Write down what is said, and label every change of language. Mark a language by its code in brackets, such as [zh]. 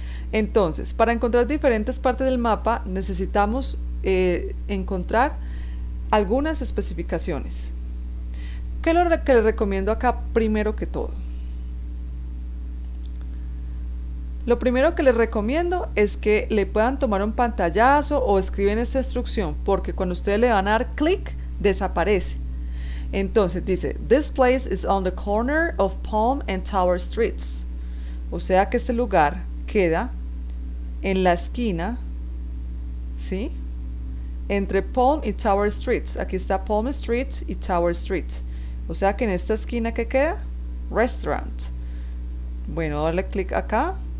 [es] Entonces, para encontrar diferentes partes del mapa necesitamos encontrar algunas especificaciones. ¿Qué es lo que les recomiendo acá primero que todo? Lo primero que les recomiendo es que le puedan tomar un pantallazo o escriben esta instrucción, porque cuando ustedes le van a dar clic, desaparece. Entonces dice: [en] This place is on the corner of Palm and Tower Streets. [es] O sea que este lugar queda en la esquina, ¿sí? Entre Palm y Tower Streets. Aquí está Palm Street y Tower Street. O sea que en esta esquina que queda, Restaurant. Bueno, darle clic acá.